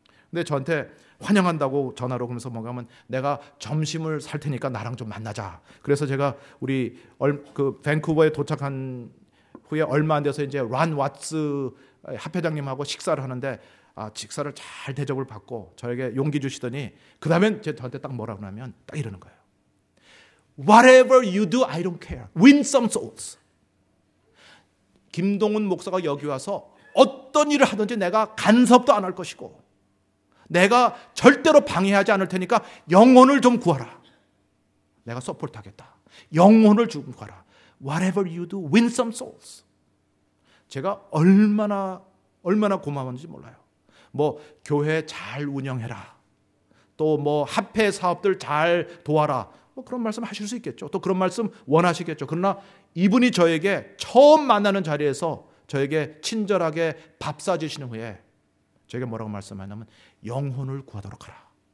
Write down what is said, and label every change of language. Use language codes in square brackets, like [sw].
[ko] 근데 저한테 환영한다고 전화로 그러면서 뭐가 하면 내가 점심을 살 테니까 나랑 좀 만나자. 그래서 제가 우리 그 밴쿠버에 도착한 후에 얼마 안 돼서 이제 란 왓츠 합회장님하고 식사를 하는데 아, 식사를 잘 대접을 받고 저에게 용기 주시더니 그 다음엔 저한테 딱 뭐라고 하냐면 딱 이러는 거예요. [en] Whatever you do, I don't care. Win some souls. [ko] 김동훈 목사가 여기 와서 어떤 일을 하든지 내가 간섭도 안 할 것이고 내가 절대로 방해하지 않을 테니까 영혼을 좀 구하라. 내가 서포트 하겠다. 영혼을 좀 구하라. [en] Whatever you do, win some souls. [ko] 제가 얼마나 고마웠는지 몰라요. 뭐 교회 잘 운영해라. 또 뭐 합회 사업들 잘 도와라. 뭐 그런 말씀 하실 수 있겠죠. 또 그런 말씀 원하시겠죠. 그러나 이분이 저에게 처음 만나는 자리에서 저에게 친절하게 밥 싸주시는 후에 저에게 뭐라고 말씀하냐면 영혼을 구하도록 하라.